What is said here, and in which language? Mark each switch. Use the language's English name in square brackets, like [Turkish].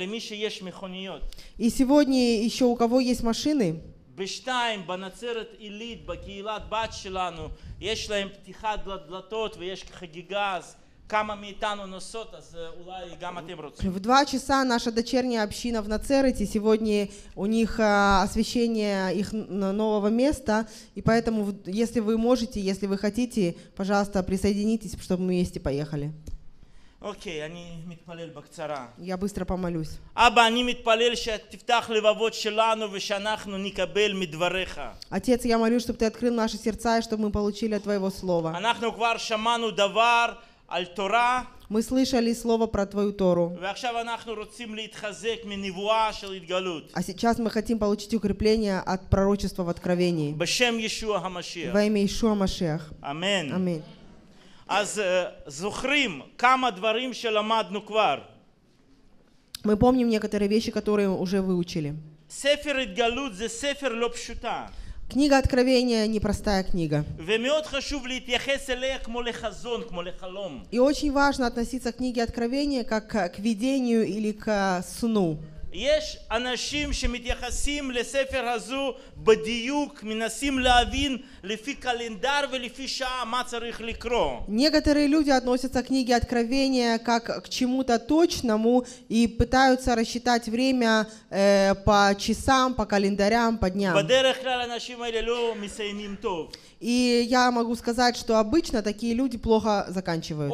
[Russian] И сегодня еще у кого есть машины? [Hebrew] בשתיים, בנצרת עילית, בקהילת בת שלנו, יש להם פתיחת דלתות ויש חגיגה, אז כמה מאיתנו נוסעות, אז אולי גם אתם רוצים. [Russian] В 2:00 наша дочерняя община в Нацерете, сегодня у них освещение их нового места, и поэтому, если вы можете, если вы хотите, пожалуйста, присоединитесь, чтобы мы вместе поехали. [Hebrew] Окей, אני מתפלל בקצרה. [Russian] Я быстро помолюсь. [Hebrew] אבא, אני מתפלל שתפתח לבבות שלנו ושאנחנו נקבל מדבריך. [Russian] Отец, я молюсь, чтобы ты открыл наши сердца и чтобы мы получили от твоего слова. [Hebrew] אנחנו כבר שמענו דבר על תורה. [Russian] Мы слышали слово про твою Тору. [Hebrew] ועכשיו אנחנו רוצים להתחזק מנבואה של התגלות. [Russian] А сейчас мы хотим получить укрепление от пророчества в Откровении. [Hebrew] בשם ישוע המשיח. [Russian] Во имя Иешуа Машиах. Амен. Амен. [Hebrew] אז זוכרים כמה דברים שלמדנו כבר. [Russian] Мы помним некоторые вещи, которые уже выучили. [Hebrew] ספר התגלות זה ספר לא פשוטה. [Russian] Книга Откровения не простая книга. [Hebrew] ומאוד חשוב להתייחס אליה כמו לחזון, כמו לחלום. [Russian] И очень важно относиться к книге Откровения как к видению или к сну. [Hebrew] יש אנשים שמתייחסים לספר הזו בדיוק, מנסים להבין לפי קלנדר ולפי שעה מה צריך לקרוא. [Russian] Некоторые люди относятся к книге Откровения как к чему-то точному и пытаются рассчитать время по часам, по календарям, по дням. [Hebrew] בדרך כלל אנשים האלה לא מסיימים טוב. [Russian] И я могу сказать, что обычно такие люди плохо заканчивают.